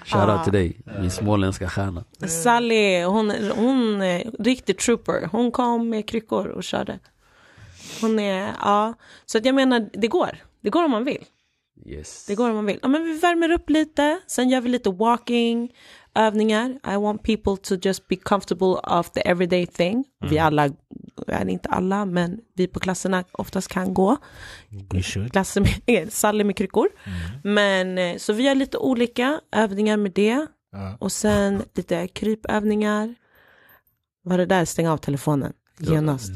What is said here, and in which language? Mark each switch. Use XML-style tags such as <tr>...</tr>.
<sv>Shout out till dig, min småländska stjärna. Sally, hon riktig trooper. Hon kom med kryckor och körde. Hon är, ja, så att jag menar, det går. Det går om man vill.</sv> <en>Yes.</en> <sv>Det går om man vill. Ja, men vi värmer upp lite, sen gör vi lite walking, övningar.</sv> <en>I want people to just be comfortable of the everyday thing.</en> <sv>Mm. Vi alla, är inte alla, men vi på klasserna oftast kan gå.</sv> <en>We should.</en> <sv>Klasser med, Sally med kryckor. Mm. Men, så vi gör lite olika övningar med det. Och sen lite krypövningar. Var det där? Stäng av telefonen. Genast.</sv>